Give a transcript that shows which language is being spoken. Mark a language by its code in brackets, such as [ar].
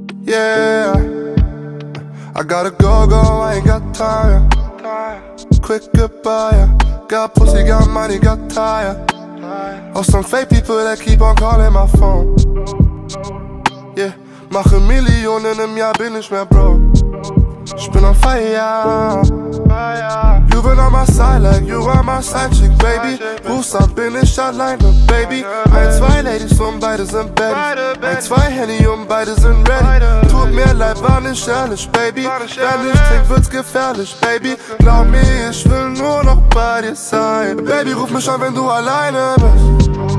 [en] Yeah, I gotta go, go, I ain't got time. Quick goodbye, got pussy, got money, got tire. Oh, some fake people that keep on calling my phone. [de] Yeah, mach ein Million in einem Jahr, bin ich mehr, bro. Ich bin [en] on fire. You been on my side like you are my side chick, baby. Who's up in this shot line, baby? [de] Ein, zwei Ladies und beide sind baddies. Ein, zwei Henny und beide sind ready. Tut mir leid, war nicht ehrlich, baby. Wenn ich trink, wird's gefährlich, baby. Glaub mir, ich will nur noch bei dir sein. Baby, ruf mich an, wenn du alleine bist.